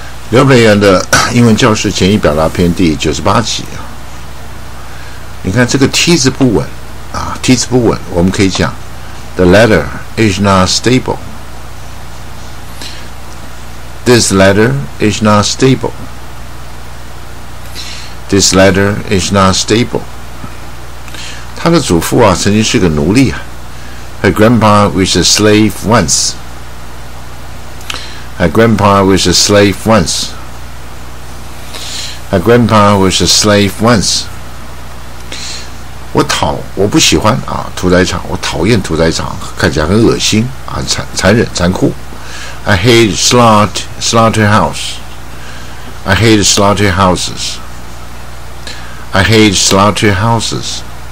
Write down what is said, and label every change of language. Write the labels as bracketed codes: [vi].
[zh] 刘培元的英文教室简易表达篇第98集，你看这个 T 字不稳，我们可以讲 [en] The letter is not stable. This letter is not stable. This letter is not stable. [zh] 他的祖父啊曾经是个奴隶啊。 [en] Her grandpa was a slave once. Her grandpa was a slave once. Her grandpa was a slave once. [zh] 我不喜欢啊，屠宰场，我讨厌屠宰场，看起来很恶心啊，残忍，残酷。 [en] I hate slaughterhouse. I hate slaughterhouses. I hate slaughterhouses.